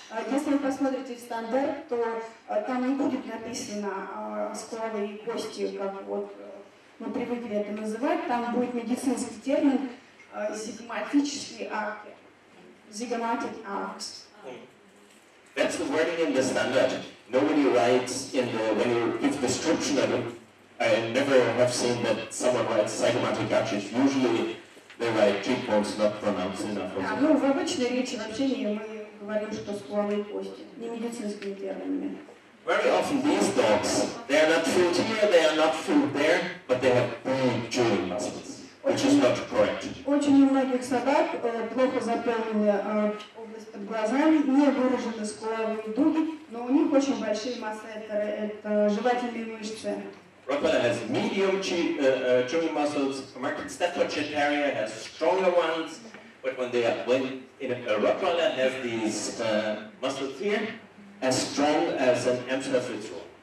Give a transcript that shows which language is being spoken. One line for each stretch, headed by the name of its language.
Russian: Если вы посмотрите в стандарт, то там не будет написано скуловые кости, как вот мы привыкли это называть. Там будет медицинский термин зигматические арки.
English: Zygomatic arcs. That's the wording in the standard. Nobody writes in the, when you give description of it, I never have seen that someone writes zygomatic arches. Usually they write cheekbones, not pronounced enough.
Russian: Да, ну в обычной речи вообще не мы говорим, что скуловые кости, не медицинскими терминами.
English: Very often these dogs, they are not filled here, they are not filled there, but they have big jawing muscles, which is not correct.
Russian: Очень у многих собак плохо заполнены область под глазами, не выражены скуловые дуги, но у них очень большие масс-центры, это жевательные мышцы.
English: Rottweiler has medium jawing muscles, American Staffordshire Terrier has stronger ones, but when they are when a Rottweiler has these muscles here, as strong as an Amstaff Ritz roll.